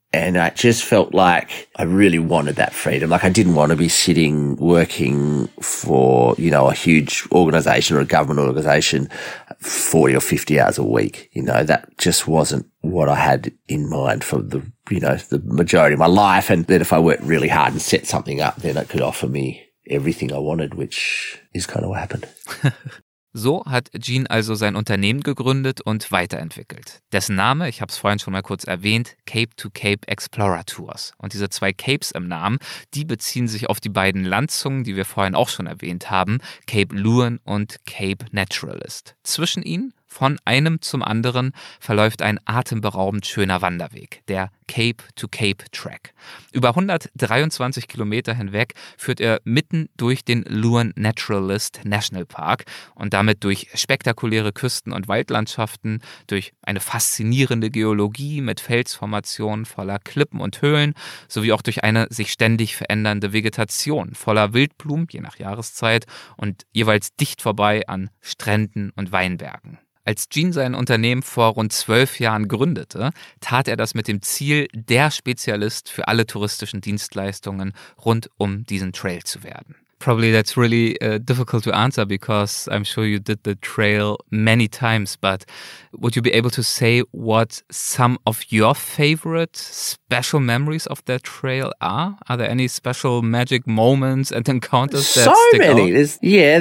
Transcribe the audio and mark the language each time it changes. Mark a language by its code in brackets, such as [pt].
[en] And I just felt like I really wanted that freedom. Like I didn't want to be sitting working for, you know, a huge organization or a government organization 40 or 50 hours a week. You know, that just wasn't what I had in mind for the majority of my life. And that if I worked really hard and set something up, then it could offer me everything I wanted, which is kind of what happened. [de] So hat Gene also sein Unternehmen gegründet und weiterentwickelt. Dessen Name, ich habe es vorhin schon mal kurz erwähnt, Cape to Cape Explorer Tours. Und diese zwei Capes im Namen, die beziehen sich auf die beiden Landzungen, die wir vorhin auch schon erwähnt haben, Cape Leeuwin und Cape Naturalist. Zwischen ihnen, von einem zum anderen, verläuft ein atemberaubend schöner Wanderweg, der Cape to Cape Track. Über 123 Kilometer hinweg führt er mitten durch den Leeuwin Naturalist National Park und damit durch spektakuläre Küsten- und Waldlandschaften, durch eine faszinierende Geologie mit Felsformationen voller Klippen und Höhlen, sowie auch durch eine sich ständig verändernde Vegetation voller Wildblumen, je nach Jahreszeit, und jeweils dicht vorbei an Stränden und Weinbergen. Als Gene sein Unternehmen vor rund 12 Jahren gründete, tat er das mit dem Ziel, der Spezialist für alle touristischen Dienstleistungen rund um diesen Trail zu werden. [en] Probably that's really difficult to answer because I'm sure you did the trail many times, but would you be able to say what some of your favorite special memories of that trail are? Are there any special magic moments and encounters that stick out?